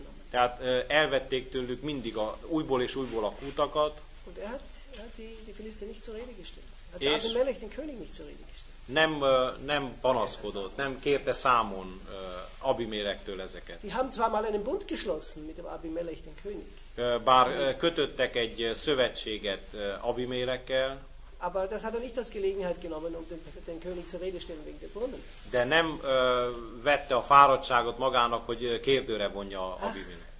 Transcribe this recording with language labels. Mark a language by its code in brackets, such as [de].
[hu] Tehát elvették tőlük mindig újból és újból a kútakat. [de] Die Philister nicht zur Rede gestellt. Hat Abimelech den König nicht zur Rede gestellt. [hu] Nem panaszkodott, nem kérte számon Abimelechtől ezeket. [de] Die haben zwar mal einen Bund geschlossen mit dem Abimelech den König. [hu] Bár kötöttek egy szövetséget Abimelechkel. [de] Aber das hat er nicht als Gelegenheit genommen, um den König zur Rede stellen wegen der Brunnen. [hu] De nem vette a fáradtságot magának, hogy kérdőre vonja Abimelech.